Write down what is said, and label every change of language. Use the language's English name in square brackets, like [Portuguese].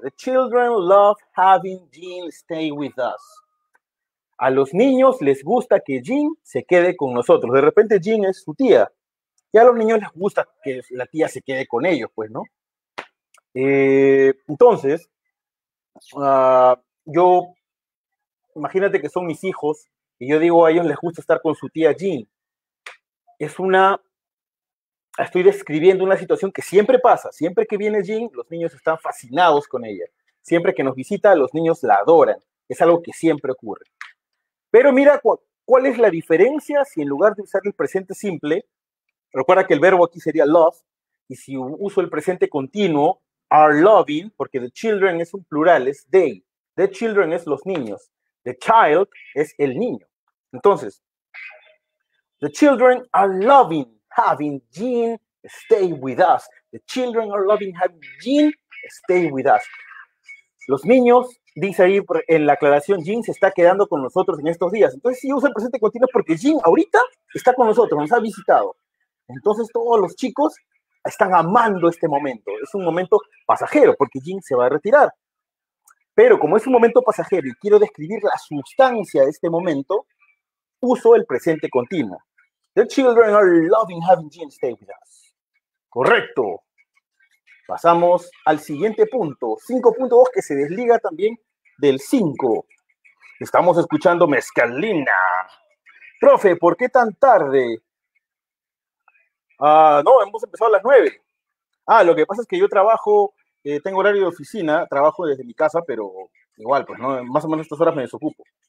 [English] The children love having Jean stay with us. [Spanish] A los niños les gusta que Jean se quede con nosotros. De repente Jean es su tía. Y a los niños les gusta que la tía se quede con ellos, pues, ¿no? Entonces, yo... Imagínate que son mis hijos y yo digo a ellos les gusta estar con su tía Jean. Estoy describiendo una situación que siempre pasa. Siempre que viene Jean, los niños están fascinados con ella. Siempre que nos visita, los niños la adoran. Es algo que siempre ocurre. Pero mira, ¿cuál es la diferencia si en lugar de usar el presente simple, recuerda que el verbo aquí sería love, y si uso el presente continuo, [English] are loving, [Spanish] porque the children es un plural, es they. The children es los niños. The child es el niño. Entonces, [English] the children are loving having Jean stay with us. The children are loving having Jean stay with us. [Spanish] Los niños, dice ahí en la aclaración, Jean se está quedando con nosotros en estos días. Entonces, sí, usa el presente continuo porque Jean ahorita está con nosotros, nos ha visitado. Entonces, todos los chicos están amando este momento. Es un momento pasajero porque Jean se va a retirar. Pero como es un momento pasajero y quiero describir la sustancia de este momento, uso el presente continuo. [English] The children are loving having Jean stay with us. [Spanish] Correcto. Pasamos al siguiente punto, 5.2, que se desliga también del 5. Estamos escuchando Mezcalina. Profe, ¿por qué tan tarde? No, hemos empezado a las 9. Ah, lo que pasa es que yo trabajo, tengo horario de oficina, trabajo desde mi casa, pero igual, pues no, más o menos estas horas me desocupo.